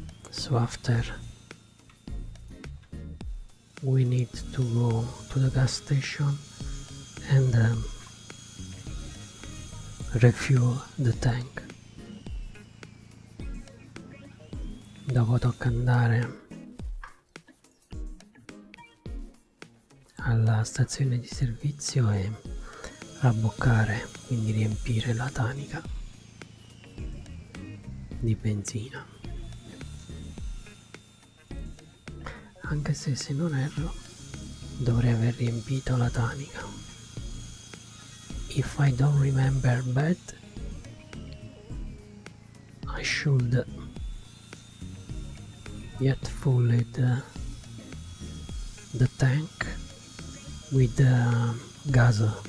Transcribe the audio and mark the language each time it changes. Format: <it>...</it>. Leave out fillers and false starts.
<en>So after we need to go to the gas station and refuel the tank.</en> <it>Dopo tocca andare alla stazione di servizio e abboccare, quindi riempire la tanica di benzina. Anche se non erro, dovrei aver riempito la tanica.</it> <en>If I don't remember bad, I should yet fill the tank with gas.</en>